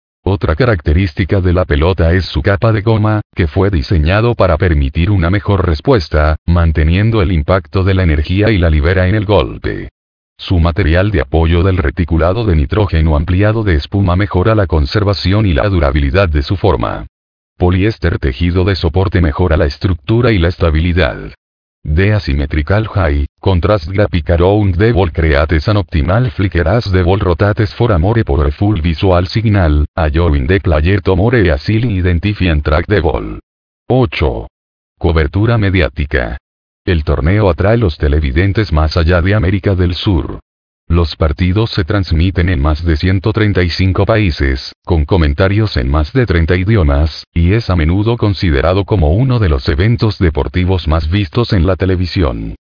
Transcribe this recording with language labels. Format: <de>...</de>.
<es>Otra característica de la pelota es su capa de goma, que fue diseñado para permitir una mejor respuesta, manteniendo el impacto de la energía y la libera en el golpe. Su material de apoyo del reticulado de nitrógeno ampliado de espuma mejora la conservación y la durabilidad de su forma. Poliéster tejido de soporte mejora la estructura y la estabilidad.</es> <en>De asymmetrical high, contrast graphic around the ball creates an optimal flicker as the ball rotates for a more powerful visual signal, allowing the player to more easily identify and track the ball.</en> <es>8. Cobertura mediática. El torneo atrae los televidentes más allá de América del Sur. Los partidos se transmiten en más de 135 países, con comentarios en más de 30 idiomas, y es a menudo considerado como uno de los eventos deportivos más vistos en la televisión.</es>